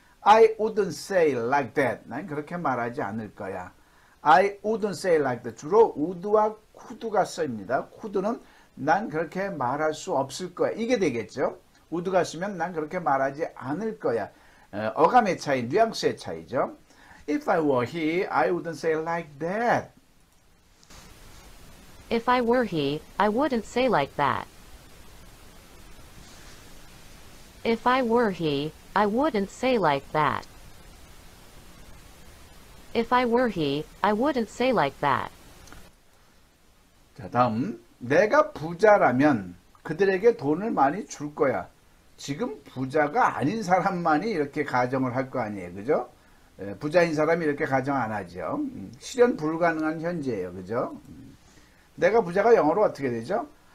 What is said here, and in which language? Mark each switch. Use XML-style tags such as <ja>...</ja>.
<en>I wouldn't say like that.</en> <ko>난 그렇게 말하지 않을 거야.</ko> <en>I wouldn't say like that.</en> <ko>주로 would와 could가 써입니다. could는 난 그렇게 말할 수 없을 거야. 이게 되겠죠? would가 쓰면 난 그렇게 말하지 않을 거야. 어감의 차이, 뉘앙스의 차이죠.</ko> <en>If I were he, I wouldn't say like that. If I were he, I wouldn't say like that. If I were he, I wouldn't say like that. If I were he, I wouldn't say like that.</en> <ko>자, 다음. 내가 부자라면 그들에게 돈을 많이 줄 거야. 지금 부자가 아닌 사람만이 이렇게 가정을 할거 아니에요. 그죠? 부자인 사람이 이렇게 가정 안 하죠. 실현 불가능한 현재예요. 그죠? 내가 부자가 영어로 어떻게 되죠?</ko>